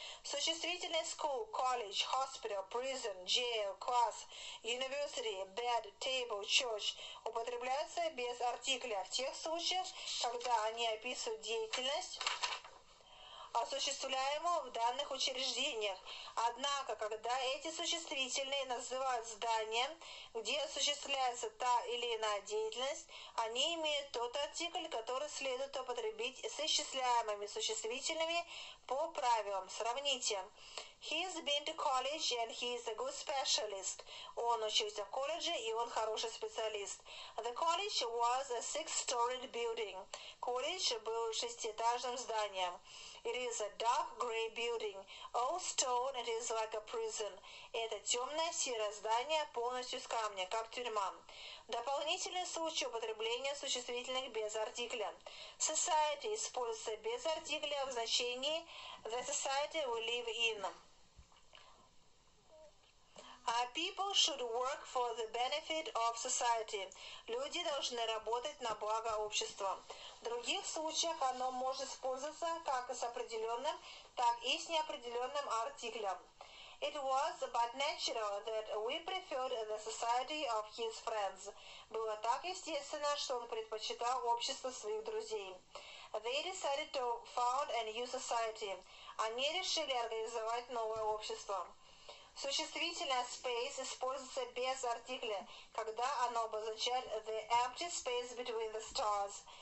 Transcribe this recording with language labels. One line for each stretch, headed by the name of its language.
Russian: Существительные school, college, hospital, prison, jail, class, university, bed, table, church употребляются без артикля в тех случаях, когда они описывают деятельность, осуществляемого в данных учреждениях. Однако, когда эти существительные называют здание, где осуществляется та или иная деятельность, они имеют тот артикль, который следует употребить с исчисляемыми существительными по правилам. Сравните.
English: He's been to college and he's a good specialist.
Russian: Он учился в колледже, и он хороший специалист.
English: The college was a six-storied building.
Russian: Колледж был шестиэтажным зданием.
English: It is a dark gray building. All stone, it is like a prison.
Russian: Это темное серое здание, полностью из камня, как тюрьма. Дополнительный случай употребления существительных без артикля. Society используется без артикля в значении
English: the society we live in. People should work for the benefit of society.
Russian: Люди должны работать на благо общества. В других случаях оно может использоваться как с определенным, так и с неопределенным артиклем.
English: It was but natural that we preferred the society of his friends.
Russian: Было так естественно, что он предпочитал общество своих друзей.
English: They decided to found a new society.
Russian: Они решили организовать новое общество. Существительное space используется без артикля, когда оно обозначает
English: the empty space between the stars.